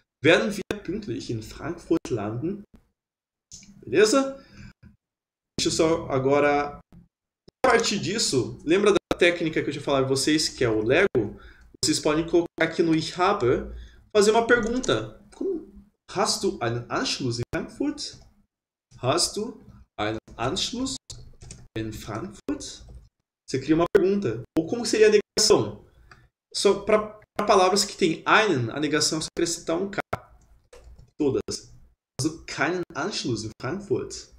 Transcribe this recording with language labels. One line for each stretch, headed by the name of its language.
German: Werden wir pünktlich in Frankfurt landen?
Portuguese: Beleza? Deixa eu só agora. A partir disso, lembra da técnica que eu tinha falado para vocês, que é o Lego? Vocês podem colocar aqui no Ich habe. Fazer uma pergunta.
German: Hast du einen Anschluss in Frankfurt? Hast du einen Anschluss in Frankfurt?
Portuguese: Você cria uma pergunta. Ou como seria a negação? Só para palavras que tem einen, a negação é só acrescentar um K. Todas.
German: Hast du keinen Anschluss in Frankfurt?